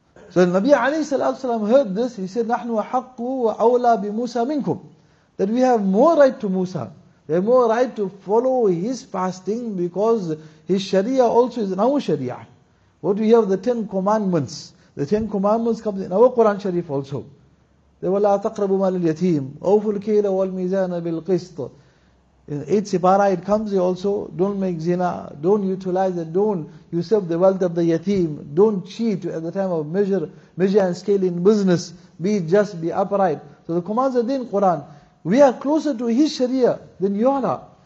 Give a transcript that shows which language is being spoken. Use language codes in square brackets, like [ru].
[en] So the Nabi alayhi salatu wasalam heard this, he said, [ar] نَحْنُ وَحَقُّ وَأَوْلَى بِمُوسَى مِنْكُمْ. [en] That we have more right to Musa. They have more right to follow his fasting because his Sharia also is in our Sharia. What we have, the Ten Commandments. The Ten Commandments comes in our Quran Sharif also. They were, [ar] لَا تَقْرَبُ مَالِ الْيَتِيمِ أَوْفُ الْكَيْلَ وَالْمِيزَانَ بِالْقِسْطِ. [en] In 8 Sipara, it comes here also, don't make zina, don't utilize it, don't usurp the wealth of the yatim, don't cheat at the time of measure and scale in business, be just, be upright. So the commands are there in Quran. We are closer to his Sharia than you all are.